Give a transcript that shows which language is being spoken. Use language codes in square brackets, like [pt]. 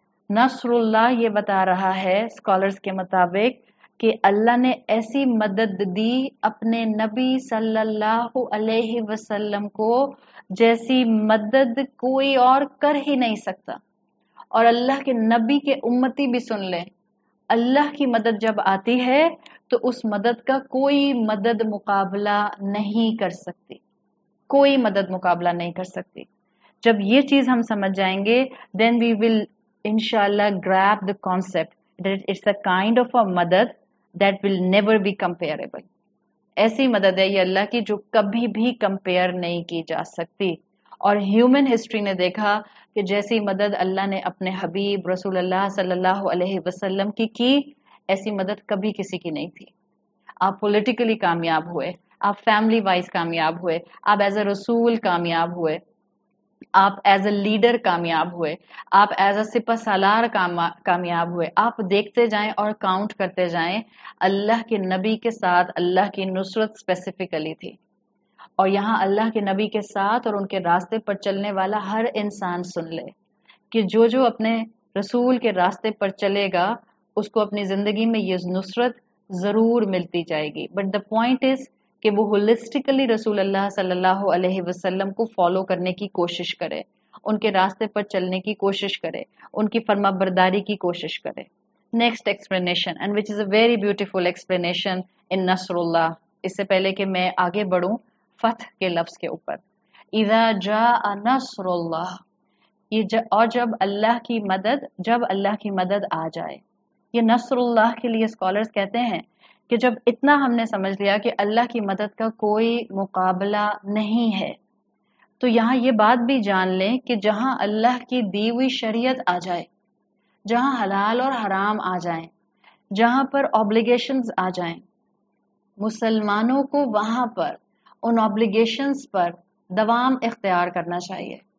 [ur] نصر اللہ یہ بتا رہا ہے سکالرز کے مطابق کہ اللہ نے ایسی مدد دی اپنے نبی صلی اللہ علیہ وسلم کو جیسی مدد کوئی اور کر ہی نہیں سکتا. اور اللہ کے نبی کے امتی بھی سن لیں, اللہ کی مدد جب آتی ہے تو اس مدد کا کوئی مدد مقابلہ نہیں کر سکتی, کوئی مدد مقابلہ نہیں کر سکتی. جب یہ چیز ہم سمجھ جائیں گے [en] then we will انشاءاللہ grab the concept that it's a kind of a مدد that will never be comparable. [ur] ایسی مدد ہے یہ اللہ کی جو کبھی بھی کمپیئر نہیں کی جا سکتی. اور ہیومن ہسٹری نے دیکھا کہ جیسی مدد اللہ نے اپنے حبیب رسول اللہ صلی اللہ علیہ وسلم کی ایسی مدد کبھی کسی کی نہیں تھی. آپ پولیٹیکلی کامیاب ہوئے, آپ فیملی وائز کامیاب ہوئے, آپ ایز اے رسول کامیاب ہوئے, آپ ایز اے لیڈر کامیاب ہوئے، آپ ایز اے سپہ سالار کامیاب ہوئے، آپ دیکھتے جائیں اور کاؤنٹ کرتے جائیں اللہ کے نبی کے ساتھ اللہ کی نصرت اسپیسیفکلی تھی. اور یہاں اللہ کے نبی کے ساتھ اور ان کے راستے پر چلنے والا ہر انسان سن لے کہ جو جو اپنے رسول کے راستے پر چلے گا اس کو اپنی زندگی میں یہ نصرت ضرور ملتی جائے گی. [en] but the point is [ur] کہ وہ ہولسٹیکلی رسول اللہ صلی اللہ علیہ وسلم کو فالو کرنے کی کوشش کرے، ان کے راستے پر چلنے کی کوشش کرے، ان کی فرما برداری کی کوشش کرے. [en] Next explanation and which is a very beautiful explanation in نصر اللہ. [ur] اس سے پہلے کہ میں آگے بڑھوں فتح کے لفظ کے اوپر، اذا جاء نصر اللہ، یہ اور جب اللہ کی مدد، جب اللہ کی مدد آ جائے. یہ نصر اللہ کے لیے اسکالرس کہتے ہیں کہ جب اتنا ہم نے سمجھ لیا کہ اللہ کی مدد کا کوئی مقابلہ نہیں ہے، تو یہاں یہ بات بھی جان لیں کہ جہاں اللہ کی دی ہوئی شریعت آ جائے، جہاں حلال اور حرام آ جائیں، جہاں پر obligations آ جائیں، مسلمانوں کو وہاں پر ان obligations پر دوام اختیار کرنا چاہیے.